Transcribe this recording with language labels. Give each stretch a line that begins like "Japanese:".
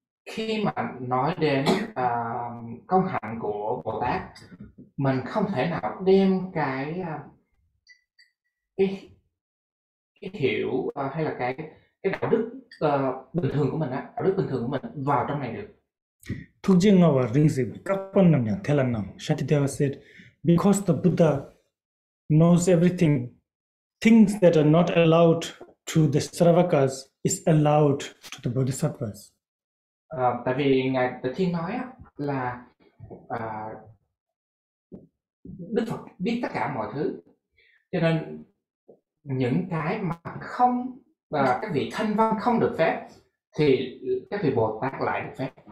Vietnamese: Khi mà nói đến công hạnh của Bồ Tát, mình không thể nào đem cái hiểu hay là cái đạo đức bình thường của mình á, đạo đức bình thường của mình vào trong này được. Thuộc riêng ngao và riêng gì? Các con nằm nhà, theo là nằm.
English: Shantideva said, because the Buddha knows everything, things that are not allowed to the Sravakas is allowed to the Bodhisattvas.
Vietnamese: Tại vì ngài Tự Thiên nói là Đức Phật biết tất cả mọi thứ, cho nên những cái mà không các vị thanh văn không được phép thì các vị Bồ Tát lại được phép.